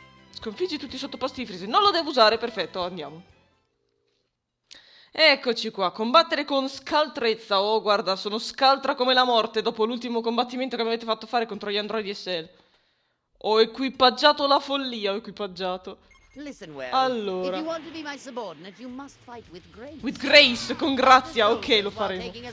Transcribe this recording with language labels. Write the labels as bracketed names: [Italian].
[Italian] Sconfiggi tutti i sottoposti di Freezer. Non lo devo usare, perfetto, andiamo. Eccoci qua, combattere con scaltrezza. Oh, guarda, sono scaltra come la morte dopo l'ultimo combattimento che mi avete fatto fare contro gli androidi SL. Ho equipaggiato la follia, ho equipaggiato. [English] Listen well. [Italian] Allora, [English] if you want to be my subordinate, you must fight with grace. With grace, [Italian] con grazia, ok, lo faremo.